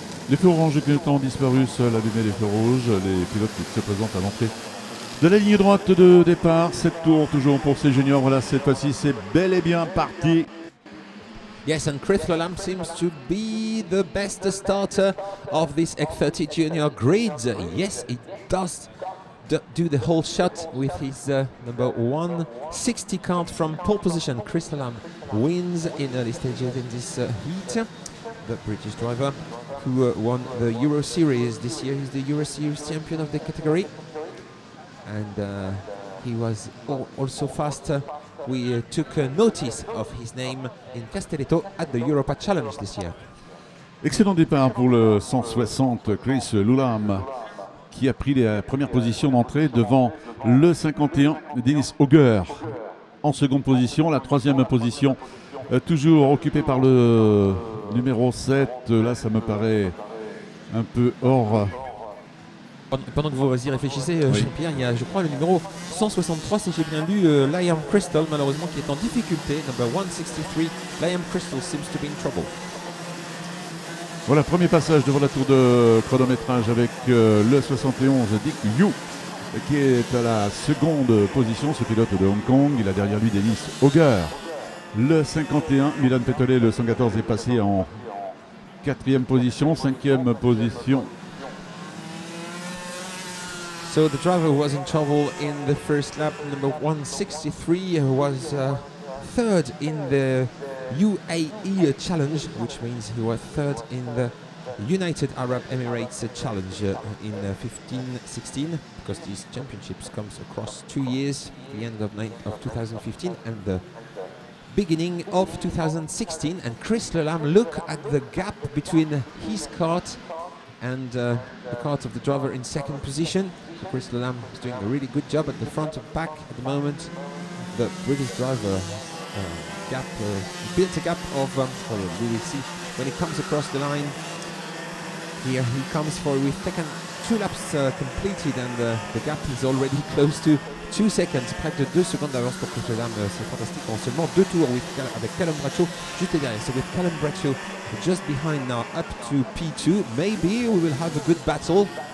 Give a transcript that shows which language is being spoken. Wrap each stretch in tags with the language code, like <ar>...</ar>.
<fr>Les feux oranges clignotants ont disparu, seuls allumés les feux rouges. Les pilotes se présentent à l'entrée de la ligne droite de départ. 7 tours toujours pour ces juniors. Voilà, cette fois-ci, c'est bel et bien parti.</fr> <en>Yes, and Chris Lalanne seems to be the best starter of this X30 Junior grid. Yes, he does do the whole shot with his number 160 card from pole position. Chris Lalanne wins in early stages in this heat. The British driver who won the Euro Series this year. He's the Euro Series champion of the category. And he was also fast. We took notice of his name in Castelletto at the Europa Challenge this year.</en> <fr>Excellent départ pour le 160, Chris Lalanne, qui a pris la première position d'entrée devant le 51, Dennis Hauger, en seconde position. La troisième position, toujours occupée par le numéro 7. Là, ça me paraît un peu hors... Pendant que vous y réfléchissez, oui. Jean-Pierre, il y a, je crois, le numéro 163, si j'ai bien lu, Liam Crystal, malheureusement, qui est en difficulté.</fr> <en>Number 163, Liam Crystal seems to be in trouble.</en> <fr>Voilà, premier passage devant la tour de chronométrage avec le 71, Dick Yu, qui est à la seconde position, ce pilote de Hong Kong. Il a derrière lui Dennis Hauger. Le 51, Milan Petelet, le 114, est passé en quatrième position, cinquième position.</fr> <en>So the driver was in trouble in the first lap. Number 163 was third in the UAE Challenge, which means he was third in the United Arab Emirates Challenge in 15-16, because these championships comes across 2 years, the end of 2015 and the beginning of 2016. And Chris Lalanne, look at the gap between his cart and the cart of the driver in second position. Chris Lalanne is doing a really good job at the front of pack at the moment. The British driver built a gap of, we see when he comes across the line. Here he comes forward. We've taken two laps completed and the gap is already close to 2 seconds.</en> <fr>Près de 2 secondes d'avance pour Chris Lalanne, c'est fantastique. En seulement 2 tours avec Callum Bradshaw juste derrière.</fr> <en>So with Callum Bradshaw just behind now up to P2, maybe we will have a good battle.</en>